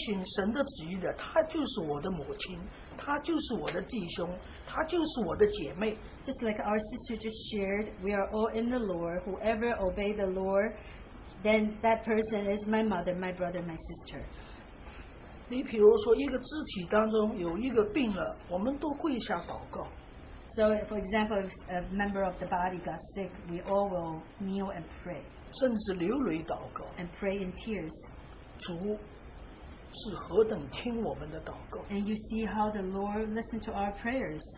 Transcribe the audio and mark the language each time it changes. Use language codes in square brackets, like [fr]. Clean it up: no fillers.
[zh] 就是刚才来的姐妹讲的，我们心里都有一个主，我们是他的身体，谁是遵循神的旨意的，他就是我的母亲。她就是我的弟兄，她就是我的姐妹。 [en] Just like our sister just shared, we are all in the Lord. Whoever obey the Lord, then that person is my mother, my brother, my sister. [zh] 你比如说一个肢体当中有一个病了，我们都跪下祷告。 [en] So for example, if a member of the body got sick, we all will kneel and pray. [zh] 甚至流泪祷告。 [en] And pray in tears. [zh] 主 是何等听我们的祷告， [en] and you see how the Lord listened to our prayers.